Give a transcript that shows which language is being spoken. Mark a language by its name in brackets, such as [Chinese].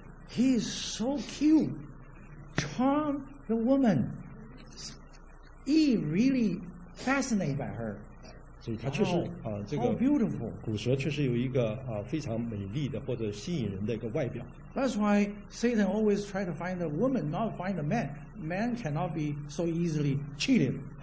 [English] He is so cute, charm the woman. He really fascinated by her. [Chinese] 所以他确实这个古蛇确实有一个非常美丽的或者吸引人的一个外表。 [English] That's why Satan always try to find a woman, not find a man. Man cannot be so easily cheated.